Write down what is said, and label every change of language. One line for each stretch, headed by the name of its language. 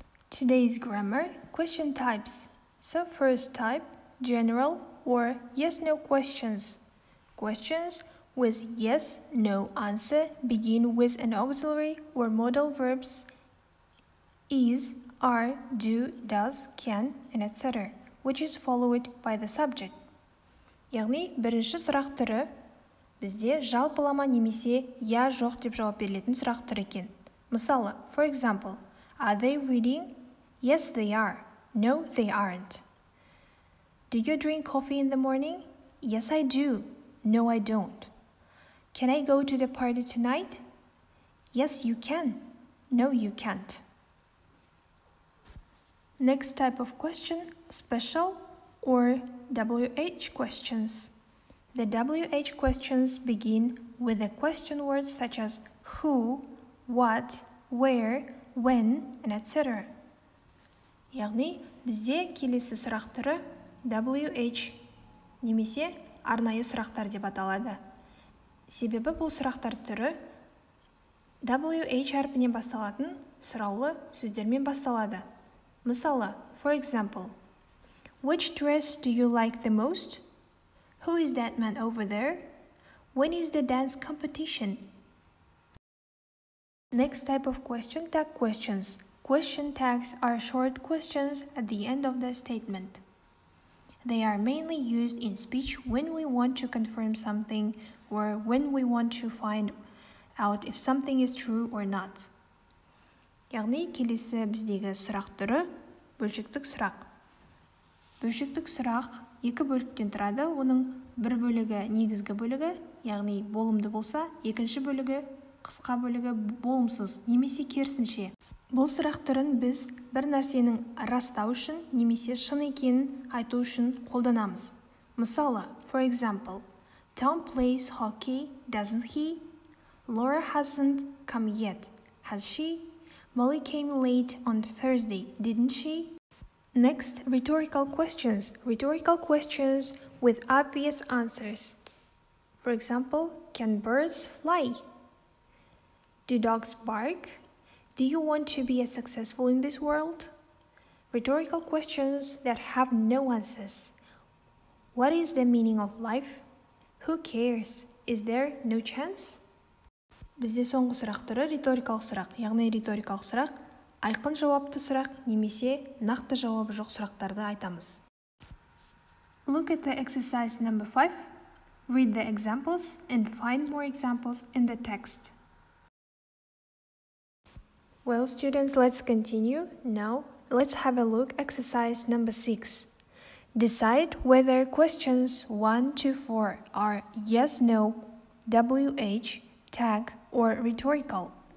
English: Today's grammar, question types. So first type, general or yes-no questions. Questions with yes-no answer begin with an auxiliary or modal verbs is, are, do, does, can, and etc., which is followed by the subject.
Kazakh: Яғни, бірінші сұрақ түрі бізде жалпылама немесе я жоқ деп жауап берілетін сұрақ түрі екен. Мысалы,
English: for example, are they reading? Yes, they are. No, they aren't. Do you drink coffee in the morning? Yes, I do. No, I don't. Can I go to the party tonight? Yes, you can. No, you can't. Next type of question, special or WH questions. The WH questions begin with a question word such as who, what, where, when, and etc.
Kazakh: Яғни, бізде келесі сұрақ түрі WH, немесе арнайы сұрақтар деп аталады. Себебі бұл сұрақтар түрі WH әрпінен басталатын сұраулы сөздермен басталады. Мысалы,
English: for example, which dress do you like the most? Who is that man over there? When is the dance competition? Next type of question tag questions. Question tags are short questions at the end of the statement. They are mainly used in speech when we want to confirm something or when we want to find out if something is true or not.
Kazakh: Яғни, келесі біздегі сұрақ түрі бөлшектік сұрақ. Бөлшектік сұрақ екі бөліктен тұрады. Оның бір бөлігі негізгі бөлігі, яғни болымды болса, екінші бөлігі қысқа бөлігі болымсыз, немесе керісінше. Бұл сұрақ түрін біз бір нәрсенің растау үшін, немесе шын екенін айту үшін қолданамыз. Мысалы,
English: for example, Tom plays hockey, doesn't he? Laura hasn't come yet, has she? Molly came late on Thursday, didn't she? Next, rhetorical questions. Rhetorical questions with obvious answers. For example, can birds fly? Do dogs bark? Do you want to be as successful in this world? Rhetorical questions that have no answers. What is the meaning of life? Who cares? Is there no chance?
Kazakh: Бізде соңғы сұрақ түрі риторикалық сұрақ, яғни риторикалық сұрақ, айқын жауапты сұрақ, немесе нақты жауабы жоқ сұрақтарды айтамыз.
English: Look at the exercise number 5. Read the examples and find more examples in the text. Well, students, let's continue. Now, let's have a look at exercise number 6. Decide whether questions 1 to 4 are yes-no, WH, tag, or rhetorical.